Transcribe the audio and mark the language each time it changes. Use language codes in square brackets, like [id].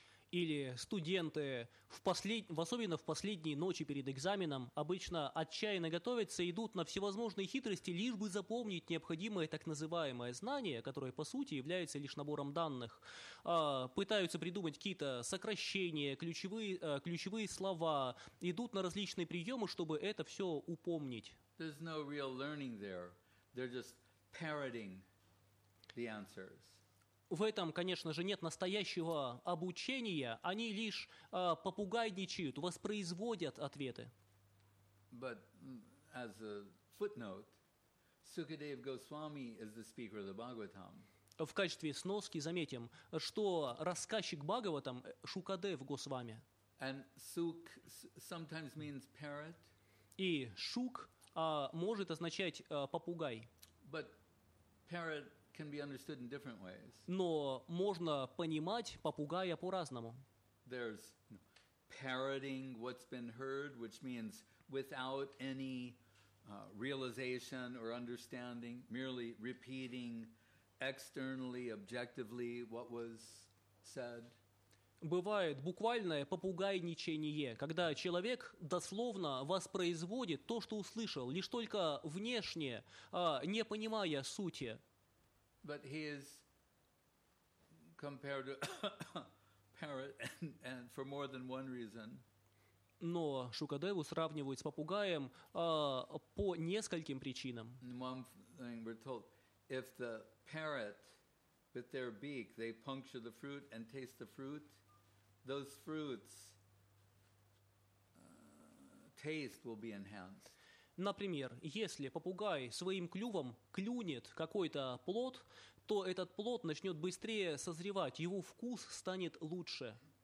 [ru] Или студенты, особенно в последние ночи перед экзаменом, обычно отчаянно готовятся и идут на всевозможные хитрости, лишь бы запомнить необходимое так называемое знание, которое, по сути, является лишь набором данных. Пытаются придумать какие-то сокращения, ключевые слова, идут на различные приемы, чтобы это все упомнить. [en] There's no real learning there. They're just parroting the answers. [ru] В этом, конечно же, нет настоящего обучения, они лишь попугайничают, воспроизводят ответы. [en] But as a footnote, Sukadev Goswami is the speaker of the Bhagavatam. [ru] В качестве сноски заметим, что рассказчик Бхагаватам Шукадев Госвами. [en] And suk sometimes means parrot. [ru] И шук может означать попугай. [en] But parrot can be understood in different ways. [ru] Но можно понимать попугая по-разному. [en] There's parroting what's been heard, which means without any realization or understanding, merely repeating externally, objectively what was said. [ru] Бывает буквальное попугайничение, когда человек дословно воспроизводит то, что услышал, лишь только внешне, не понимая сути. [en] But he is compared to parrot, and for more than one reason. [ru] Но Шукадеву сравнивают с попугаем по нескольким причинам. [en] One thing we're told: if the parrot, with their beak, they puncture the fruit and taste the fruit, those fruits' taste will be enhanced. [ru] Например, если попугай своим клювом клюнет какой-то плод, то этот плод начнет быстрее созревать, его вкус станет лучше.